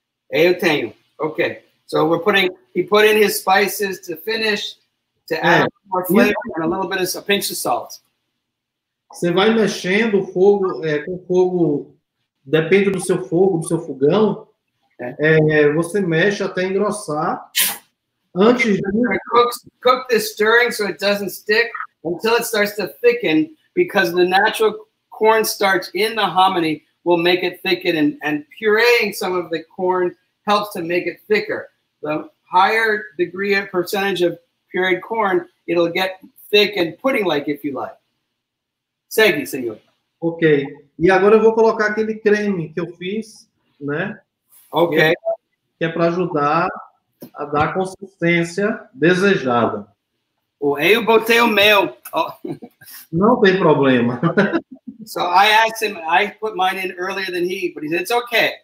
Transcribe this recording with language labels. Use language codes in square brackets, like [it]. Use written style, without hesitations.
[pt] Eu tenho. [en] Ok. So we're putting, he put in his spices to finish, to add more flavor and a little bit of a pinch of salt. [pt] Você vai mexendo o fogo, com fogo, depende do seu fogo, do seu fogão. Você mexe até engrossar. Antes de... [en] Cook this stirring so it doesn't stick until it starts to thicken, because the natural corn starch in the hominy will make it thicken, and pureeing some of the corn helps to make it thicker. The higher degree of percentage of pureed corn, it'll get thick and pudding-like, if you like. [pt] Segue, senhor. Ok. E agora eu vou colocar aquele creme que eu fiz, né? Ok. Que é para ajudar a dar a consistência desejada. Eu botei o meu. Não tem problema. [en] So I asked him, I put mine in earlier than he, but he said, it's okay.